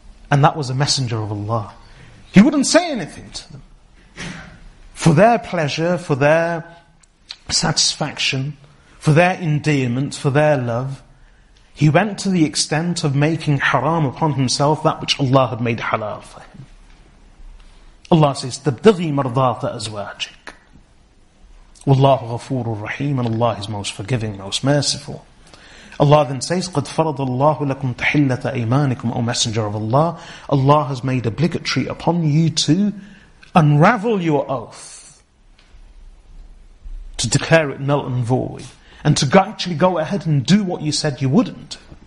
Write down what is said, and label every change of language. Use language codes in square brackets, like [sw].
[en] And that was a messenger of Allah. He wouldn't say anything to them. For their pleasure, for their satisfaction, for their endearment, for their love, he went to the extent of making haram upon himself that which Allah had made halal for him. Allah says, [ar] تَبْدَغِي مَرْضَاتَ أَزْوَاجِكَ. Wallahu ghafurur rahim, [en] and Allah is most forgiving, most merciful. Allah then says, [ar] قَدْ فَرَضَ اللَّهُ لَكُمْ تَحِلَّةَ أَيْمَانِكُمْ [en] O Messenger of Allah, Allah has made obligatory upon you to unravel your oath, to declare it null and void, and to actually go ahead and do what you said you wouldn't.